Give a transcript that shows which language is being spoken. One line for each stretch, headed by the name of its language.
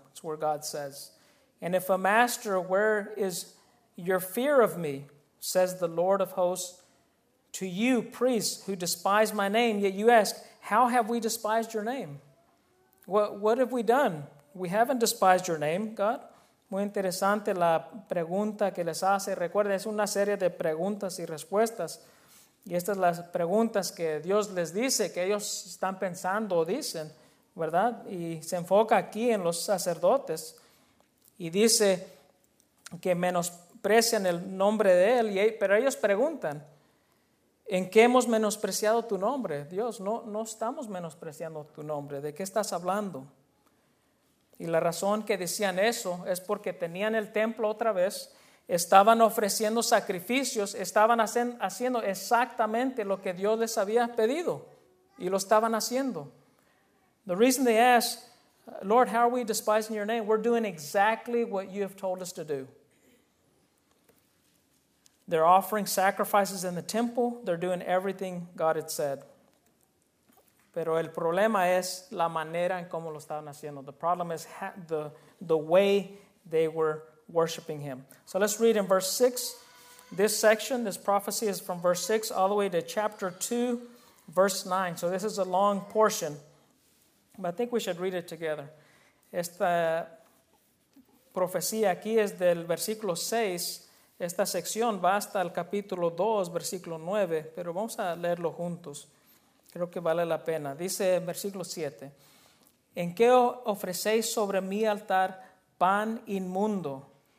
English: That's where God says. And if a master, where is your fear of me? Says the Lord of hosts, to you, priests, who despise my name, yet you ask, how have we despised your name? What have we done? We haven't despised your name, God.
Spanish: Muy interesante la pregunta que les hace. Recuerda, es una serie de preguntas y respuestas. Y estas las preguntas que Dios les dice, que ellos están pensando o dicen, ¿verdad? Y se enfoca aquí en los sacerdotes. Y dice que menosprecian el nombre de él. Pero ellos preguntan, ¿en qué hemos menospreciado tu nombre? Dios, no estamos menospreciando tu nombre. ¿De qué estás hablando? Y la razón que decían eso es porque tenían el templo otra vez. Estaban ofreciendo sacrificios. Estaban haciendo exactamente lo que Dios les había pedido. Y lo estaban haciendo.
English: The reason they ask, Lord, how are we despising your name? We're doing exactly what you have told us to do. They're offering sacrifices in the temple. They're doing everything God had said.
Spanish: Pero el problema es la manera en cómo lo estaban haciendo.
English: The problem is the way they were worshiping him. So let's read in verse 6. This section, this prophecy is from verse 6 all the way to chapter 2, verse 9. So this is a long portion. But I think we should read it together.
Spanish: Esta profecía aquí es del versículo 6. Esta sección va hasta el capítulo 2, versículo 9. Pero vamos a leerlo juntos. Creo que vale la pena. Dice en versículo 7. ¿En qué ofrecéis sobre mi altar pan inmundo?